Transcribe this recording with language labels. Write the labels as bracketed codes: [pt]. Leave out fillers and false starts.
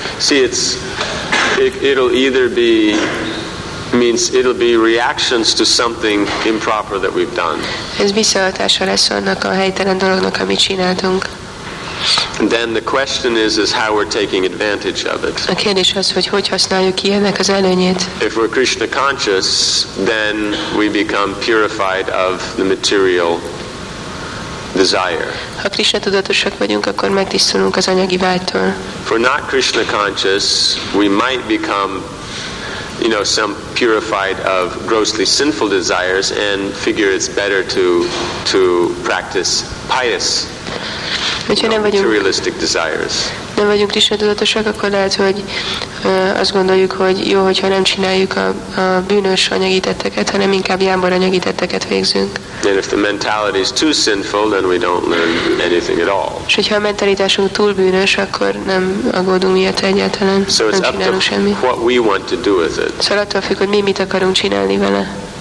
[en] See, it's it'll either be means it'll be reactions to something improper that we've done. [hu] Ez visszahatása lesz annak a helytelen dolognak, amit csináltunk. [en] And then the question is how we're taking advantage of it. [hu] A kérdés az, hogy hogy használjuk ki ennek az előnyét. [en] If we're Krishna conscious, then we become purified of the material desire. [hu] Ha Krishna tudatosak vagyunk, akkor megtisztulunk az anyagi vágytól. [en] If we're not Krishna conscious, we might become, you know, some purified of grossly sinful desires and figure it's better to practice pious. [hu] Hogyha nem vagyunk [en] materialistic desires. [hu] Nem vagyunk Krishna tudatosak, akkor lehet, hogy azt gondoljuk, hogy jó, hogyha nem csináljuk a bűnös anyagi tetteket, hanem inkább jámbor anyagi tetteket végzünk. [en] And if the mentality is too sinful, then we don't learn anything at all. [hu] És hogyha a mentalitásunk túl bűnös, akkor nem aggódunk miatt egyáltalán, [en] so [hu] nem csinálunk semmit. [en] What we want to do with it. [hu] Szóval attól függ, hogy mi mit akarunk csinálni vele.